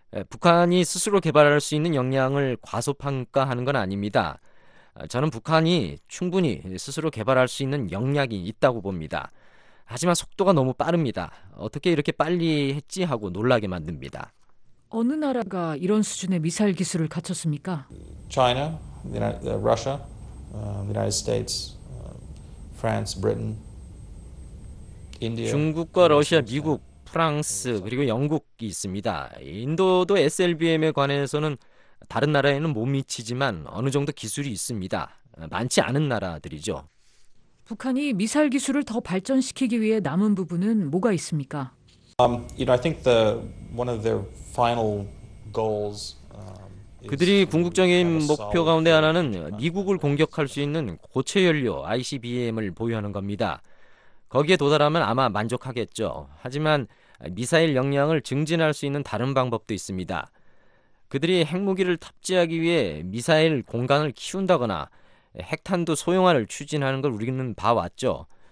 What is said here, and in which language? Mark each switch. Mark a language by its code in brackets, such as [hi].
[ko] 북한이 스스로 개발할 수 있는 역량을 과소평가하는 건 아닙니다. 저는 북한이 충분히 스스로 개발할 수 있는 역량이 있다고 봅니다. 하지만 속도가 너무 빠릅니다. 어떻게 이렇게 빨리 했지 하고 놀라게 만듭니다. 어느 나라가 이런 수준의 미사일 기술을 갖췄습니까? [en] China, Russia, the United States, France, Britain, India. [ko] 중국과 러시아, 미국, 프랑스 그리고 영국이 있습니다. 인도도 SLBM에 관해서는 다른 나라에는 못 미치지만 어느 정도 기술이 있습니다. 많지 않은 나라들이죠. 북한이 미사일 기술을 더 발전시키기 위해 남은 부분은 뭐가 있습니까? [en] I think the one of their final goals [ko] 그들이 궁극적인 목표 가운데 하나는 미국을 공격할 수 있는 고체 연료 ICBM을 보유하는 겁니다. 거기에 도달하면 아마 만족하겠죠. 하지만 미사일 역량을 증진할 수 있는 다른 방법도 있습니다. 그들이 핵무기를 탑재하기 위해 미사일 공간을 키운다거나 핵탄두 소형화를 추진하는 걸 우리는 봐왔죠.